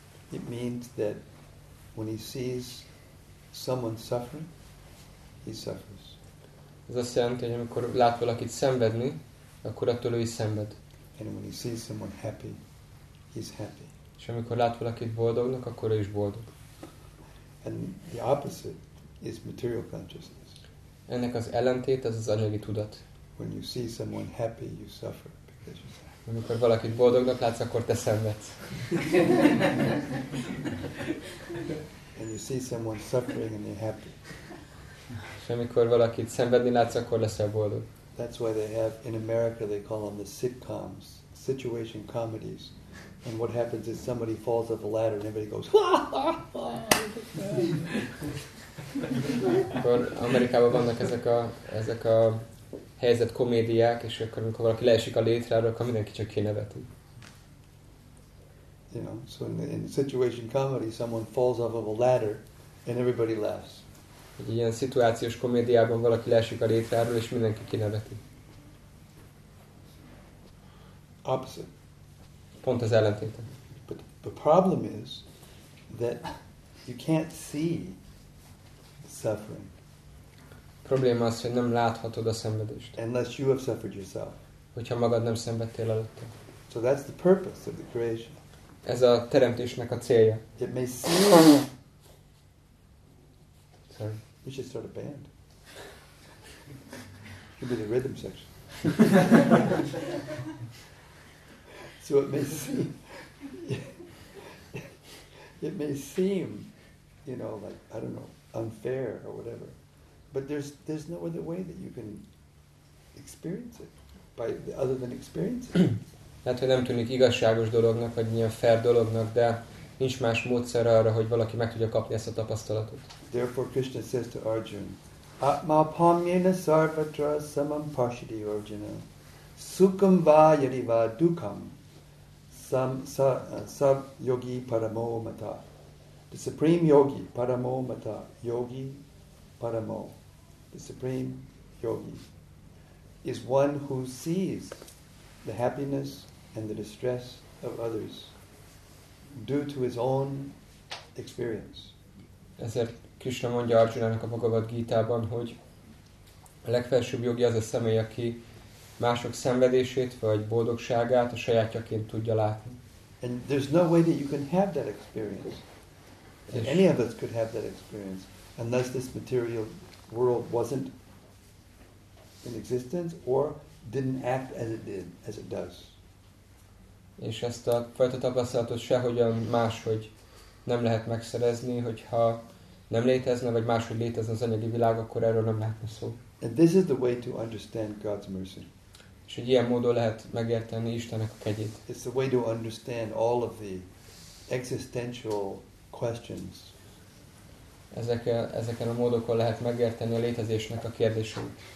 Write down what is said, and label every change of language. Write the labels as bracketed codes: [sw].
[en] It means that when he sees someone suffering, he suffers. [hu] Ez azt jelenti, hogy amikor lát valakit szenvedni, akkor attól ő is szenved. [en] And when he sees someone happy, he's happy. [hu] És amikor lát valakit boldognak, akkor ő is boldog. [en] And the opposite is material consciousness. [hu] Ennek az ellentét az az anyagi tudat. [en] When you see someone happy, you suffer because you're sad. [hu] Amikor valakit boldognak látsz, akkor te szenvedsz. [en] And you see someone suffering and you're happy. [hu] És amikor valakit szenvedni látsz, akkor leszel boldog. [en] That's why they have in America they call them the sitcoms, situation comedies. And what happens is somebody falls off a ladder and everybody goes ha ha ha. [hu] Akkor Amerikában vannak ezek a helyzet komédiák, és akkor amikor valaki leesik a létráról, akkor mindenki csak kinevetik. [en] You know, so in situation comedy someone falls off of a ladder and everybody laughs. [hu] Egy ilyen szituációs komédiában valaki leesik a létráról, és mindenki kineveti. [en] Opposite. [hu] Pont az ellentéte. [en] But the problem is that you can't see the suffering. [hu] Probléma az, hogy nem láthatod a szenvedést. [en] Unless you have suffered yourself. [hu] Hogyha magad nem szenvedtél előtte. [en] So that's the purpose of the creation. [hu] Ez a teremtésnek a célja. [en] It may seem... Sorry. We should start a band. Give me the rhythm section. So it may seem, you know, like, I don't know, unfair or whatever. But there's no other way that you can experience it by other than experience it. [hu] Hát, hogy nem tűnik igazságos dolognak, vagy milyen fair dolognak, de nincs más módszer arra, hogy valaki meg tudja kapni ezt a tapasztalatot. [en] Therefore Krishna says to Arjuna, [sa] Atma pamyena sarvatra samam pashyati Arjuna, sukam va yadi va dukam, sam sab yogi paramo mata. [en] The supreme yogi, paramo mata, yogi paramo, the supreme yogi, is one who sees the happiness and the distress of others due to his own experience. [hu] Ezért Krishna mondja Arjunának a Bhagavad Gita-ban, hogy a legfelsőbb jogi az a személy, aki mások szenvedését vagy boldogságát a sajátjaként tudja látni. [en] And there's no way that you can have that experience. And any of us could have that experience unless this material world wasn't in existence or didn't act as it did, as it does. [hu] És ezt a fajta tapasztalatot sehogyan máshogy nem lehet megszerezni, hogyha nem létezne, vagy máshogy létezne az anyagi világ, akkor erről nem lehetne szó. [en] And this is the way to understand God's mercy. [hu] És egy ilyen módon lehet megérteni Istennek a kegyét. [en] It's the way to understand all of the existential questions. [hu] Ezeken a módokon lehet megérteni a létezésnek a kérdéseit.